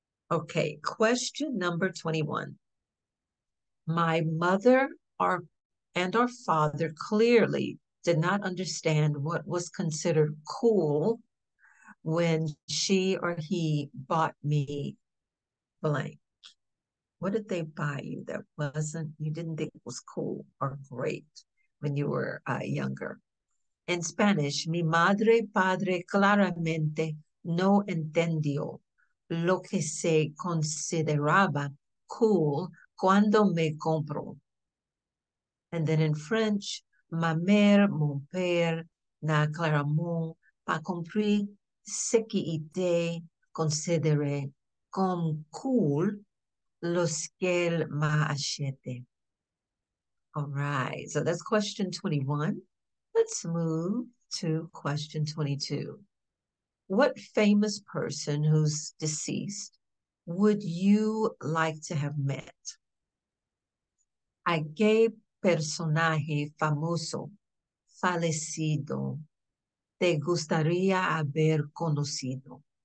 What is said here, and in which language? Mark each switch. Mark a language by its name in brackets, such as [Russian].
[English] Okay, question number 21. My mother and our father clearly did not understand what was considered cool when she or he bought me blank. What did they buy you that wasn't, you didn't think it was cool or great when you were younger? [Spanish] In Spanish, mi madre padre claramente no entendió lo que se consideraba cool cuando me compró. [French] And then in French, ma mère, mon père, n'a clairement pas compris ce qui était considéré comme cool lorsqu'elle m'a acheté. [English] All right, so that's question 21. Let's move to question 22. What famous person who's deceased would you like to have met? [Spanish] ¿A qué personaje famoso fallecido te gustaría haber conocido?